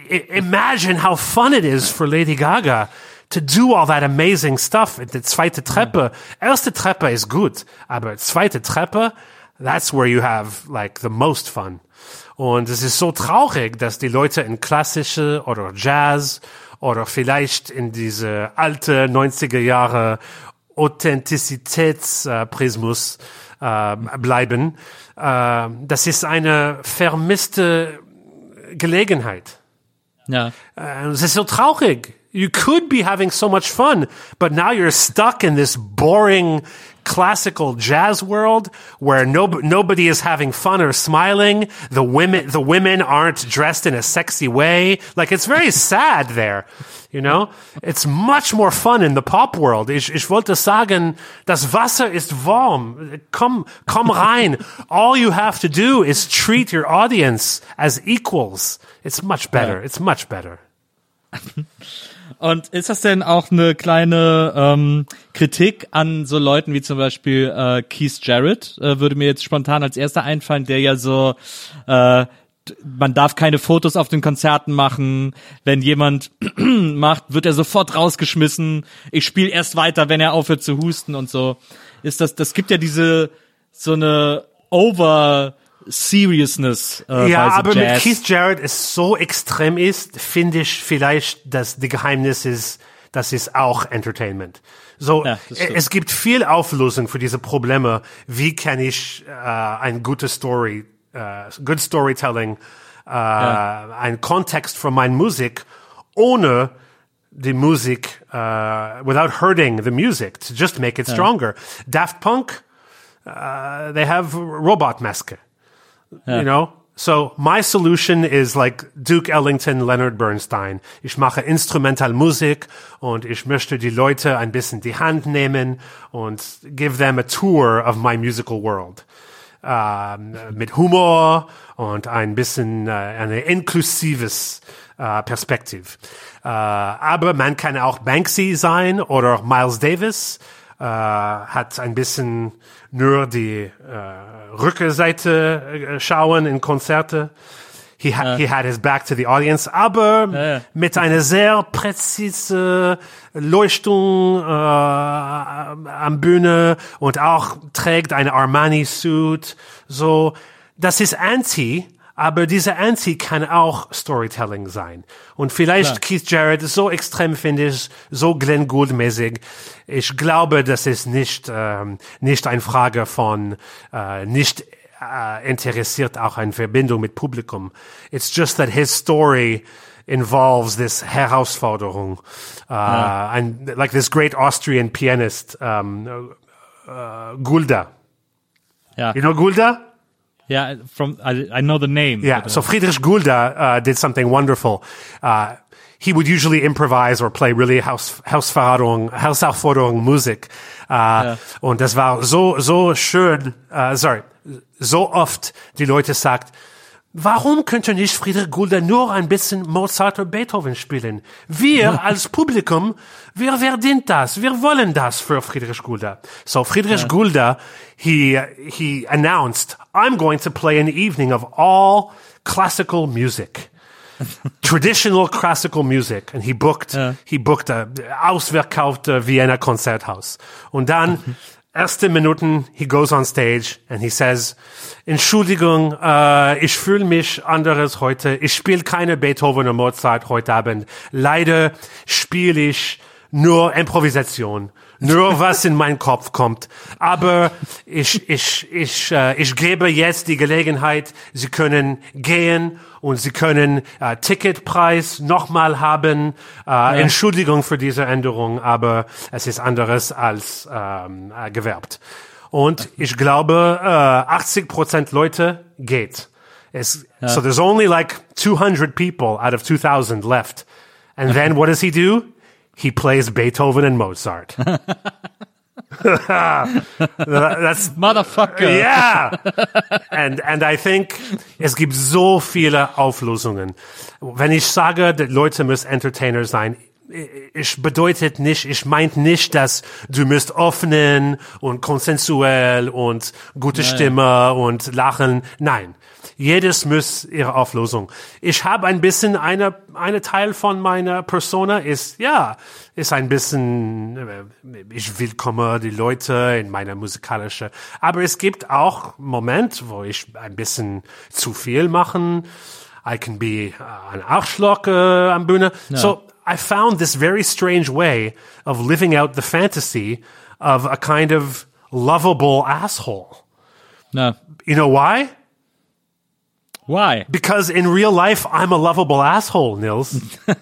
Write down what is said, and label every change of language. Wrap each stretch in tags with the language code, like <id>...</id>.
<en>Imagine how fun it is for Lady Gaga to do all that amazing stuff.</en> <de>The zweite Treppe, erste Treppe ist gut, aber zweite Treppe,</de> <en>that's where you have, like, the most fun.</en> <de>Und es ist so traurig, dass die Leute in klassische oder Jazz oder vielleicht in diese alte 90er Jahre Authentizitätsprismus bleiben. Das ist eine vermisste Gelegenheit. Ja. Es ist so traurig.</de> <en>You could be having so much fun, but now you're stuck in this boring classical jazz world where nobody is having fun or smiling. The women aren't dressed in a sexy way. Like, it's very sad there, you know? It's much more fun in the pop world.</en> <de>Ich wollte sagen, das Wasser ist warm. Komm rein.</de> <en>All you have to do is treat your audience as equals. It's much better. Yeah. It's much better.</en> <de>Und ist das denn auch eine kleine Kritik an so Leuten wie zum Beispiel Keith Jarrett, würde mir jetzt spontan als erster einfallen, der ja so, man darf keine Fotos auf den Konzerten machen, wenn jemand macht, wird er sofort rausgeschmissen, ich spiele erst weiter, wenn er aufhört zu husten und so. Ist das gibt ja diese, so eine Over-Seriousness aber Jazz. Mit Keith Jarrett es so extrem ist, finde ich vielleicht, dass die Geheimnis ist, das ist auch Entertainment. So, ja, es gibt viel Auflösung für diese Probleme. Wie kann ich ein gutes Story,</de> <en>good Storytelling,</en> <de>einen Kontext von meiner Musik ohne die Musik,</de> <en>without hurting the music, to just make it stronger.</en> <de>Ja.</de> <en>Daft Punk, they have Robotmaske. You know, so my solution is like Duke Ellington, Leonard Bernstein.</en> <de>Ich mache instrumental Musik und ich möchte die Leute ein bisschen die Hand nehmen und</de> <en>give them a tour of my musical world.</en> <de>Mit Humor und ein bisschen eine inklusives Perspektive. Aber man kann auch Banksy sein oder Miles Davis. Hat ein bisschen nur die Rückseite schauen in Konzerte.</de> <en>He had his back to the audience,</en> <de>aber mit einer sehr präzise Leuchtung am Bühne und auch trägt eine Armani-Suit. So, das ist Anti, aber diese Anti kann auch Storytelling sein. Und vielleicht Keith Jarrett, so extrem finde ich, so Glenn Gould-mäßig. Ich glaube, das ist nicht nicht eine Frage von nicht interessiert auch eine Verbindung mit Publikum.</de> <en>It's just that his story involves this Herausforderung. And like this great Austrian pianist, Gulda. Yeah. You know Gulda? Yeah, from I know the name. Yeah, so Friedrich Gulda did something wonderful. He would usually improvise or play really</en> <de>Herausforderung Musik. Und das war so schön, so oft die Leute sagt, warum könnte nicht Friedrich Gulda nur ein bisschen Mozart oder Beethoven spielen? Wir als Publikum, wir verdienen das, wir wollen das für Friedrich Gulda. So Friedrich Gulda, he announced, I'm going to play an evening of all classical music. Traditional classical music. And he booked a ausverkaufte Vienna Konzerthaus. Und dann erste Minuten,</de> <en>he goes on stage and he says,</en> <de>Entschuldigung, ich fühle mich anders heute. Ich spiele keine Beethoven und Mozart heute Abend. Leider spiele ich nur Improvisation, nur was in meinen Kopf kommt. Aber ich gebe jetzt die Gelegenheit, Sie können gehen und Sie können Ticketpreis nochmal haben. Entschuldigung für diese Änderung, aber es ist anderes als gewerbt. Und ich glaube, 80% Leute geht. Es, ja.</de> <en>So there's only like 200 people out of 2,000 left. And then what does he do? He plays Beethoven and Mozart. That's motherfucker. Yeah. And I think</en> <de>es gibt so viele Auflösungen. Wenn ich sage, die Leute müssen Entertainer sein, ich meint nicht, dass du müsst offenen und konsensuell und gute Stimme und lachen. Nein. Jedes muss ihre Auflösung. Ich habe ein bisschen eine Teil von meiner Persona ist ein bisschen, ich willkomme die Leute in meiner musikalischen, aber es gibt auch Moment, wo ich ein bisschen zu viel machen.</de> <en>I can be an Arschloch</en> <de>am Bühne.</de> <en>No. So I found this very strange way of living out the fantasy of a kind of lovable asshole. No. You know why? Why? Because in real life, I'm a lovable asshole, Nils.</en>